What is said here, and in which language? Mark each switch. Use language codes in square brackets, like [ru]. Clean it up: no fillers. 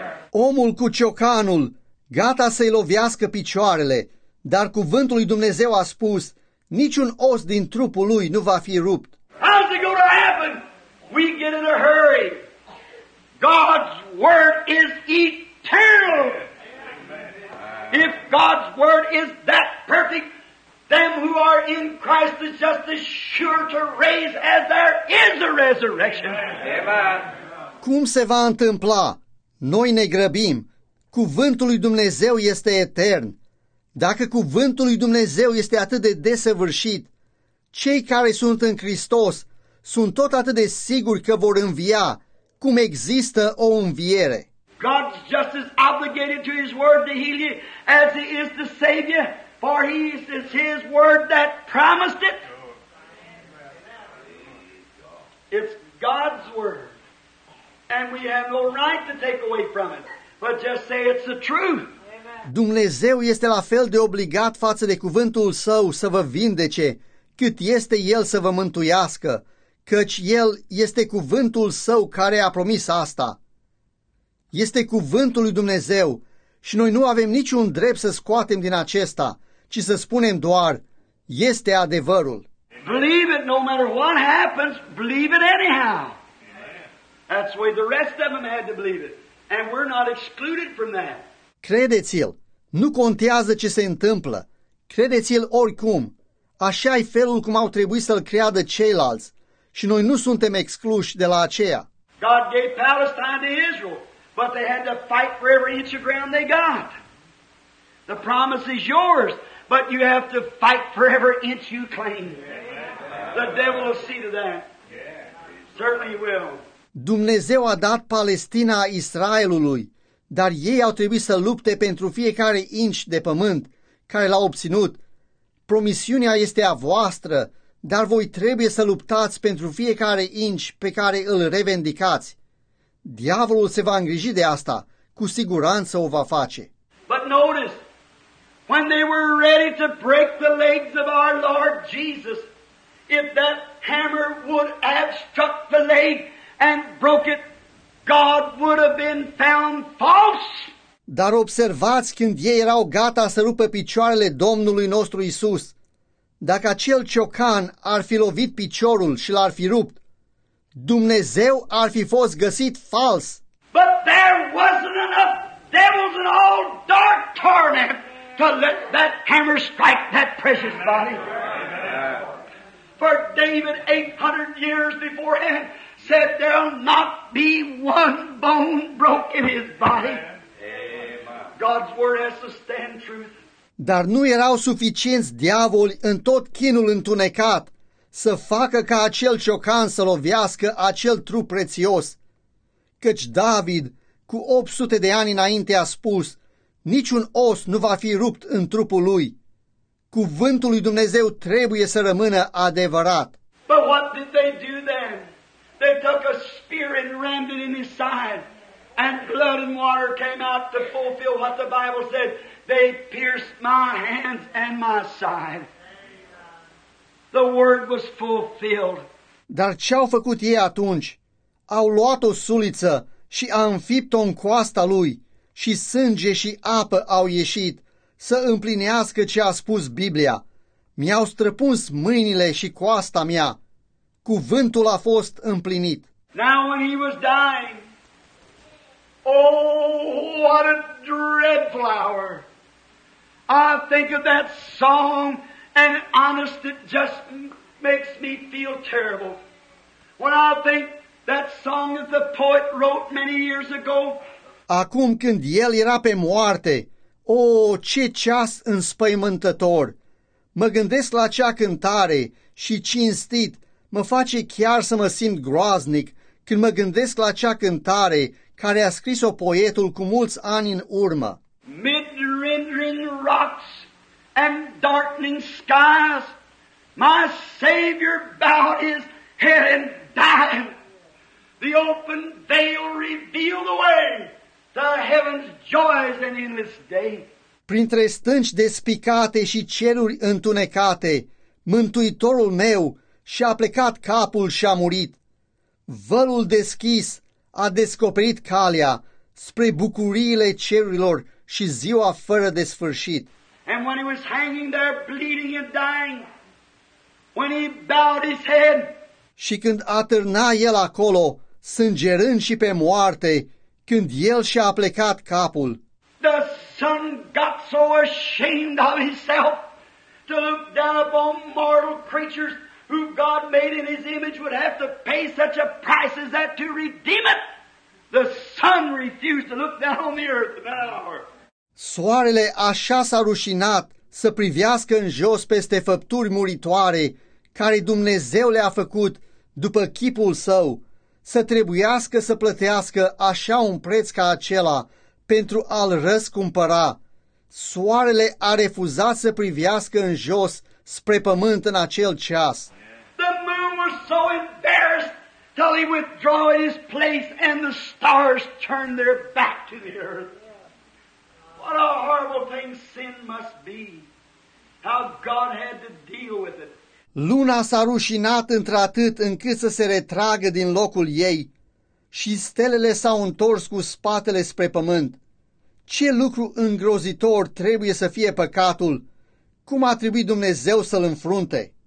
[ro] Omul cu ciocanul, gata să-i lovească picioarele, dar cuvântul lui Dumnezeu a spus, niciun os din trupul lui nu va fi rupt. [en] How's it going to happen? We get in a hurry. God's word is eternal. If God's word is that perfect, them who are in Christ is just as sure to raise as there is a resurrection. Amen. [ro] Cum se va întâmpla? Noi ne grăbim. Cuvântul lui Dumnezeu este etern. Dacă cuvântul lui Dumnezeu este atât de desăvârșit, cei care sunt în Hristos sunt tot atât de siguri că vor învia, cum există o înviere. [en] God's just as obligated to his word to heal you as he is to save you, for he is his word that promised it. It's God's word. And we have no right to take away from it, but just say it's the truth. Amen. [ro] Dumnezeu este la fel de obligat față de cuvântul Său să vă vindece, cât este El să vă mântuiască, căci El este cuvântul Său care a promis asta. Este cuvântul lui Dumnezeu și noi nu avem niciun drept să scoatem din acesta, ci să spunem doar, este adevărul. [en] Believe it, no matter what happens, believe it anyhow. That's the way the rest of them had to believe it. And we're not excluded from that. [ro] Credeți-l, nu contează ce se întâmplă. Credeți-l oricum. Așa-i felul cum au trebuit să-l creadă ceilalți. Și noi nu suntem excluși de la aceea. [en] God gave Palestine to Israel, but they had to fight for every inch of ground they got. The promise is yours, but you have to fight for every inch you claim. The devil will see to that. Certainly he will. [ro] Dumnezeu a dat Palestina Israelului, dar ei au trebuit să lupte pentru fiecare inch de pământ care l-au obținut. Promisiunea este a voastră, dar voi trebuie să luptați pentru fiecare inch pe care îl revendicați. Diavolul se va îngriji de asta, cu siguranță o va face. [en] But notice, when they were ready to break the legs of our Lord Jesus, if that hammer would have struck the leg and broke it, God would have been found false. [ro] Dar observați când ei erau gata să rupă picioarele Domnului nostru Isus. Dacă acel ciocan ar fi lovit piciorul și l-ar fi rupt, Dumnezeu ar fi fost găsit fals. [en] But there wasn't enough devils in all dark torment to let that hammer strike that precious body. For David 800 years beforehand said there'll not be one bone broke in his body. God's word has to stand truth. [ro] Dar nu erau suficienți diavoli în tot chinul întunecat să facă ca acel ciocan să lovească acel trup prețios. Căci David, cu 800 de ani înainte, a spus, niciun os nu va fi rupt în trupul lui. Cuvântul lui Dumnezeu trebuie să rămână adevărat. [en] But what did they do then? They took a spear and rammed it in his side. And blood and water came out to fulfill what the Bible said. They pierced my hands and my side. The word was fulfilled. [ro] Dar ce au făcut ei atunci? Au luat o suliță și a înfipt-o în coasta lui și sânge și apă au ieșit să împlinească ce a spus Biblia. Mi-au străpuns mâinile și coasta mea. Cuvântul a fost împlinit. [en] Now when he was dying, oh, what a dreadful hour. I think of that song, and honest, it just makes me feel terrible. When I think that song that the poet wrote many years ago. [ro] Acum când el era pe moarte, oh, ce ceas înspăimântător! Mă gândesc la acea cântare și cinstit, mă face chiar să mă simt groaznic când mă gândesc la acea cântare care a scris-o poetul cu mulți ani în urmă. [en] Mid rending rocks and darkening skies, my Savior bowed his head and died. The open veil revealed the way to heaven's joys and endless day. [ro] Printre stânci despicate și ceruri întunecate, Mântuitorul meu și-a plecat capul și a murit. Vălul deschis a descoperit calea spre bucuriile cerurilor și ziua fără de sfârșit. [en] And when he was hanging there bleeding and dying, when he bowed his head, [ro] și când atârna el acolo, sângerând și pe moarte, când el și-a plecat capul, [en] the son got so ashamed of himself to look down upon mortal creatures who God made in his image would have to pay such a price as that to redeem it. The sun refused to look down on the earth in that hour. [ro] Soarele așa s-a rușinat să privească în jos peste făpturi muritoare care Dumnezeu le-a făcut după chipul său, să trebuiască să plătească așa un preț ca acela pentru a-l răscumpăra. Soarele a refuzat să privească în jos spre pământ în acel ceas. [en] The moon was so embarrassed till he withdrew his place and the stars turned their back to the earth. What a horrible horrible thing sin must be. How God had to deal with it. [ro] Luna s-a rușinat într-atât încât să se retragă din locul ei și stelele s-au întors cu spatele spre pământ. Ce lucru îngrozitor trebuie să fie păcatul? Cum a trebuit Dumnezeu să-l înfrunte?